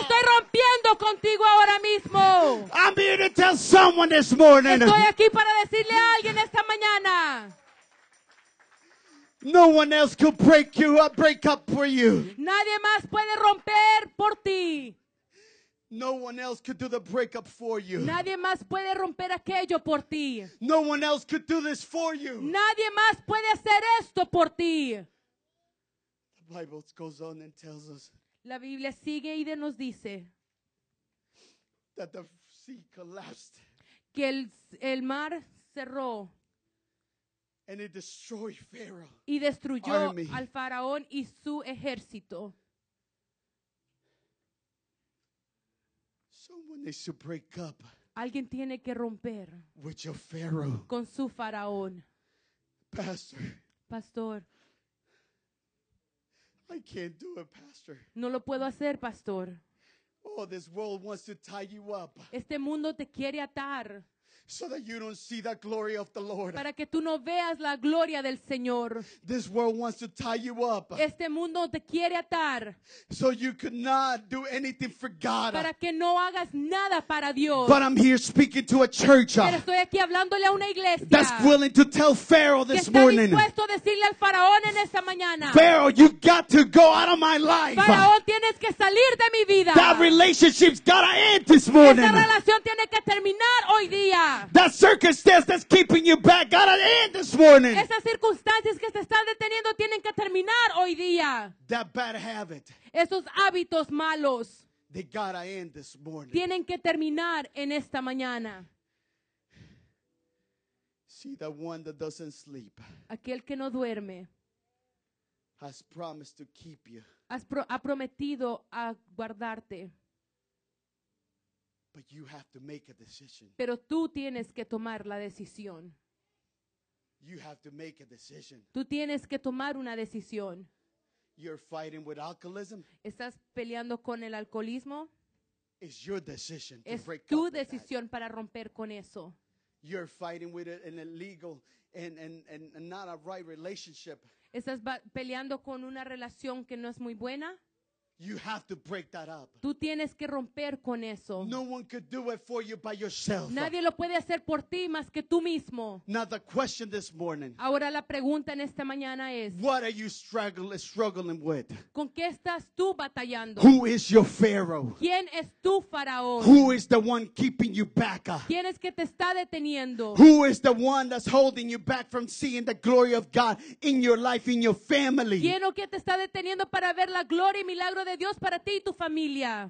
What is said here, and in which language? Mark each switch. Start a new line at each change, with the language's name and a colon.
Spanish: Estoy rompiendo contigo ahora mismo.
English: I'm here to tell someone this morning.
Spanish: Estoy aquí para decirle a alguien esta mañana.
English: No one else could break you or break up for you.
Spanish: Nadie más puede romper por ti.
English: No one else could do the breakup for you.
Spanish: Nadie más puede romper aquello por ti.
English: No one else could do this for you.
Spanish: Nadie más puede hacer esto por ti.
English: The Bible goes on and tells us.
Spanish: La Biblia sigue y nos dice.
English: That the sea collapsed.
Spanish: Que el mar cerró.
English: And it destroyed Pharaoh.
Spanish: Y destruyó al faraón y su ejército.
English: Someone needs to break up.
Spanish: Alguien tiene que romper
English: with your Pharaoh.
Spanish: Con su faraón.
English: Pastor.
Spanish: Pastor.
English: I can't do it, pastor.
Spanish: No lo puedo hacer, pastor.
English: Oh, this world wants to tie you up.
Spanish: Este mundo te quiere atar.
English: So that you don't see the glory of the Lord.
Spanish: Para que tú no veas la gloria del Señor.
English: This world wants to tie you up.
Spanish: Este mundo te quiere atar.
English: So you cannot do anything for God.
Spanish: Para que no hagas nada para Dios.
English: But I'm here speaking to a church.
Spanish: Pero estoy aquí hablándole a una iglesia.
English: That's willing to tell Pharaoh this morning.
Spanish: Que está dispuesto a decirle al faraón en esta mañana.
English: Pharaoh, you got to go out of my life.
Spanish: Faraón, tienes que salir de mi vida.
English: That relationship's got to end this morning.
Spanish: Esa relación tiene que terminar hoy día.
English: That circumstance that's keeping you back gotta end this morning.
Spanish: Esas circunstancias que te están deteniendo tienen que terminar hoy día.
English: That bad habit.
Spanish: Esos hábitos malos.
English: They gotta end this morning.
Spanish: Tienen que terminar en esta mañana.
English: See, the one that doesn't sleep.
Spanish: Aquel que no duerme.
English: Has promised to keep you.
Spanish: Ha prometido a guardarte.
English: But you have to make a decision.
Spanish: Pero tú tienes que tomar la decisión.
English: You have to make a decision.
Spanish: Tú tienes que tomar una decisión.
English: You're fighting with alcoholism.
Spanish: ¿Estás peleando con el alcoholismo?
English: It's your decision to
Spanish: es
English: break
Spanish: tu
English: up
Spanish: decisión
English: with that.
Spanish: Para romper con eso.
English: You're fighting with an illegal and not a right relationship.
Spanish: ¿Estás peleando con una relación que no es muy buena?
English: You have to break that up.
Spanish: Tú tienes que romper con eso.
English: No one could do it for you by yourself.
Spanish: Nadie lo puede hacer por ti más que tú mismo.
English: Now the question this morning.
Spanish: Ahora la pregunta en esta mañana es.
English: What are you struggling with?
Spanish: ¿Con qué estás tú batallando?
English: Who is your Pharaoh?
Spanish: ¿Quién es tu faraón?
English: Who is the one keeping you back?
Spanish: ¿Quién es que te está deteniendo?
English: Who is the one that's holding you back from seeing the glory of God in your life, in your family?
Spanish: ¿Quién o qué te está deteniendo para ver la gloria y milagro de Dios para ti y tu familia?